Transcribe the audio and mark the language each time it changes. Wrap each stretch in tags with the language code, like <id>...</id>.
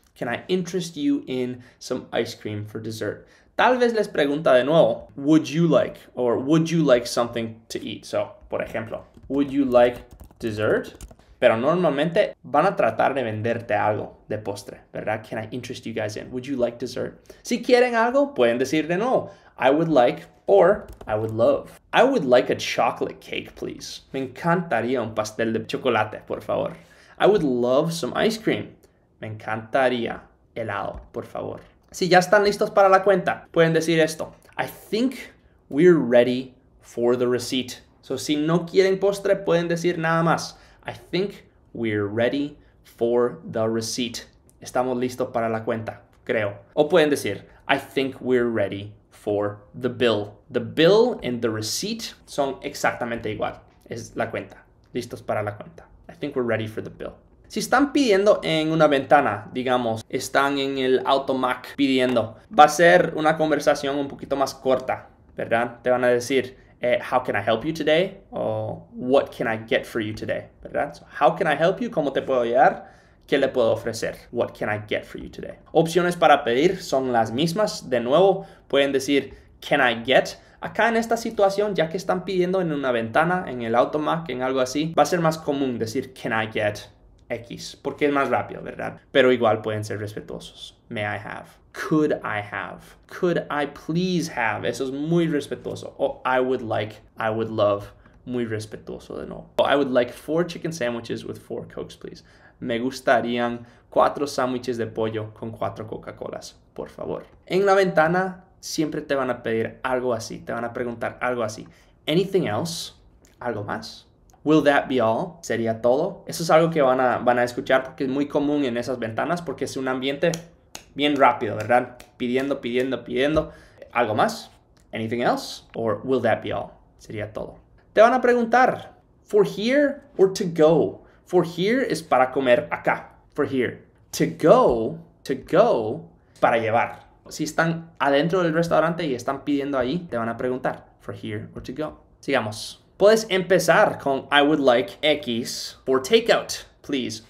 <en>Can I interest you in some ice cream for dessert?</en> <es>Tal vez les pregunta de nuevo,</es> <en>would you like or would you like something to eat? So,</en> <es>por ejemplo,</es> <en>would you like dessert?</en> <es>Pero normalmente van a tratar de venderte algo de postre, ¿verdad?</es> <en>Can I interest you guys in? Would you like dessert?</en> <es>Si quieren algo, pueden decir de nuevo,</es> <en>I would like or I would love. I would like a chocolate cake, please.</en> <es>Me encantaría un pastel de chocolate, por favor.</es> <en>I would love some ice cream.</en> <es>Me encantaría helado, por favor. Si ya están listos para la cuenta, pueden decir esto.</es> <en>I think we're ready for the receipt.</en> <es>So, si no quieren postre, pueden decir nada más.</es> <en>I think we're ready for the receipt.</en> <es>Estamos listos para la cuenta, creo. O pueden decir,</es> <en>I think we're ready for the bill. The bill and the receipt</en> <es>son exactamente igual. Es la cuenta. Listos para la cuenta.</es> <en>I think we're ready for the bill.</en> <es>Si están pidiendo en una ventana, digamos, están en el automac pidiendo, va a ser una conversación un poquito más corta, ¿verdad? Te van a decir,</es> <en>how can I help you today? O what can I get for you today?</en> <es>¿Verdad?</es> <en>So, how can I help you?</en> <es>¿Cómo te puedo ayudar? ¿Qué le puedo ofrecer?</es> <en>What can I get for you today?</en> <es>Opciones para pedir son las mismas. De nuevo, pueden decir,</es> <en>can I get?</en> <es>Acá en esta situación, ya que están pidiendo en una ventana, en el automac, en algo así, va a ser más común decir,</es> <en>can I get?</en> <es>X, porque es más rápido, ¿verdad? Pero igual pueden ser respetuosos.</es> <en>May I have? Could I have? Could I please have?</en> <es>Eso es muy respetuoso.</es> <en>O I would like, I would love.</en> <es>Muy respetuoso de nuevo.</es> <en>O I would like four chicken sandwiches with four Cokes, please.</en> <es>Me gustarían cuatro sándwiches de pollo con cuatro Coca-Colas, por favor. En la ventana siempre te van a pedir algo así. Te van a preguntar algo así.</es> <en>Anything else?</en> <es>¿Algo más?</es> <en>Will that be all?</en> <es>¿Sería todo? Eso es algo que van a escuchar porque es muy común en esas ventanas porque es un ambiente bien rápido, ¿verdad? Pidiendo, pidiendo, pidiendo. ¿Algo más?</es> <en>Anything else? Or will that be all?</en> <es>¿Sería todo? Te van a preguntar,</es> <en>for here or to go? For here</en> <es>es para comer acá. For here.</es> <en>To go,</en> <es>para llevar. Si están adentro del restaurante y están pidiendo ahí, te van a preguntar,</es> <en>for here or to go.</en> <es>Sigamos. Puedes empezar con</es> <en>I would like X for takeout, please.</en>